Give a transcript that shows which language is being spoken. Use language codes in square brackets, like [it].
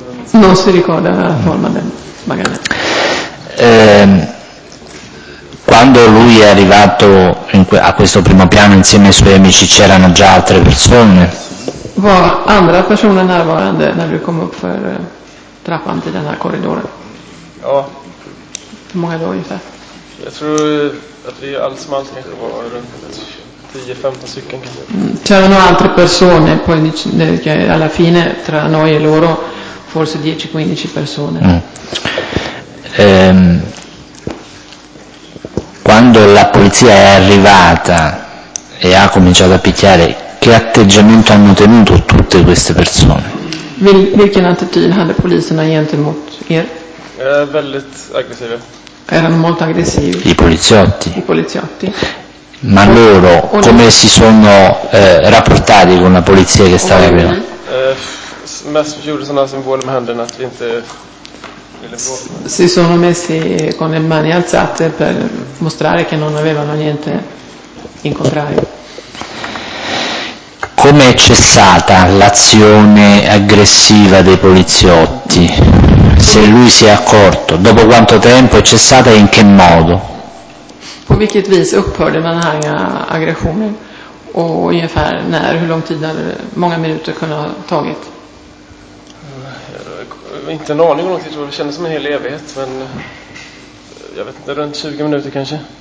[it] Non si ricorda la forma del manganello. Quando lui è arrivato a questo primo piano insieme ai suoi amici c'erano già altre persone? [sv] Var andra personer närvarande när du kom upp för trappan till den här korridoren? Ja. Hur många då ungefär? Jag tror att vi alls som allt kanske var runt 10-15 stycken kanske. [it] C'erano altre persone poi che alla fine tra noi e loro forse 10-15 persone. Quando la polizia è arrivata e ha cominciato a picchiare, che atteggiamento hanno tenuto tutte queste persone? [sv] Vilken attityd hade poliserna gentemot er? Väldigt aggressiva. [it] Erano molto aggressivi. I poliziotti. Ma loro come si sono rapportati con la polizia che stava qui? [sv] Mest gjorde sådana symboler med händerna att vi inte ville bråka. [it] Si sono messi con le mani alzate per mostrare che non avevano niente in contrario. Come è cessata l'azione aggressiva dei poliziotti? Se lui si è accorto, dopo quanto tempo è cessata e in che modo? [sv] På vilket vis upphörde den här aggressionen och ungefär när, hur lång tid hade många minuter kunnat ha tagit? Inte en aning om lång tid, det kändes som en hel evighet, men jag vet inte, runt 20 minuter kanske.